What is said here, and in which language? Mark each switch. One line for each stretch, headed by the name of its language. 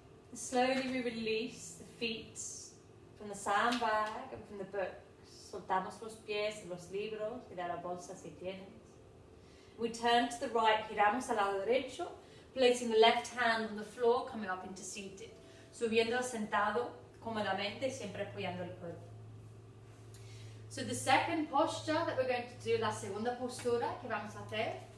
English: And slowly we release the feet from the sandbag and from the books.
Spanish: Soltamos los pies de los libros y de la bolsa si tienes.
English: We turn to the right,
Spanish: giramos al lado derecho,
English: placing the left hand on the floor, coming up into seated.
Spanish: Subiendo sentado cómodamente, siempre apoyando el cuerpo.
English: So the second posture that we're going to do,
Spanish: la segunda postura que vamos a hacer,